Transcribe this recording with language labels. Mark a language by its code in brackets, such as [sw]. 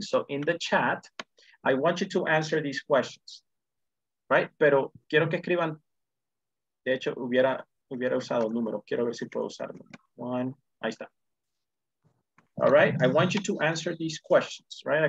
[en] So in the chat, I want you to answer these questions, right? [es] Pero quiero que escriban, de hecho, hubiera usado el número. Quiero ver si puedo usar el número. One, ahí está. [en] All right, I want you to answer these questions, right?